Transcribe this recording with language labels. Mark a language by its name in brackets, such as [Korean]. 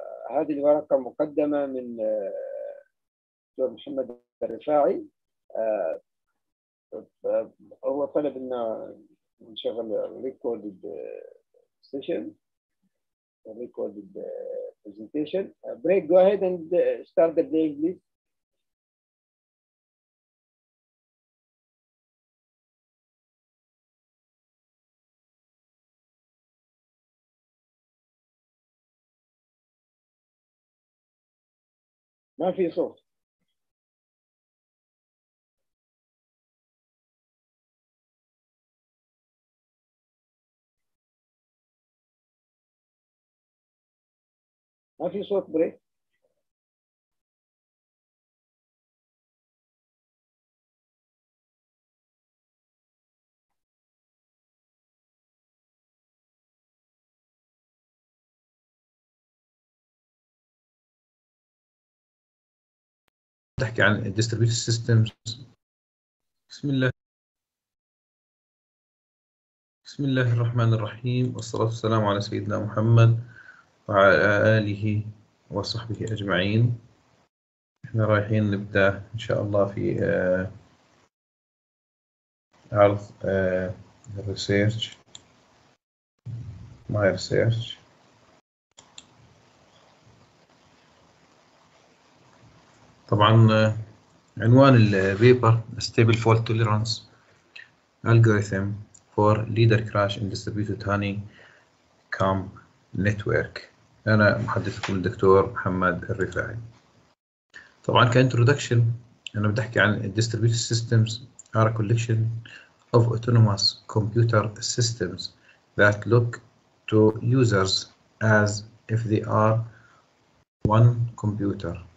[Arabic] هذه الورقة مقدمة من دكتور محمد الرفاعي. هو طلب أن نشغل Recorded Session. [English] Recorded presentation. Break, go ahead and start the day, please. [Arabic] ما في صوت. ما في صوت بريك. تحكي عن distributed systems. بسم الله. بسم الله الرحمن الرحيم والصلاة والسلام على سيدنا محمد وعلى آله وصحبه أجمعين. احنا رايحين نبدا ان شاء الله في عرض الريسيرش ماي ريسيرش طبعا عنوان البيبر ستيبل فولت توليرانس [English] algorithm for leader crash in distributed honeycomb network. [Arabic] أنا محدثكم الدكتور محمد الرفاعي. طبعا كانترودكشن أنا بدي أحكي عن [English] distributed systems are a collection of autonomous computer systems that look to users as if they are one computer.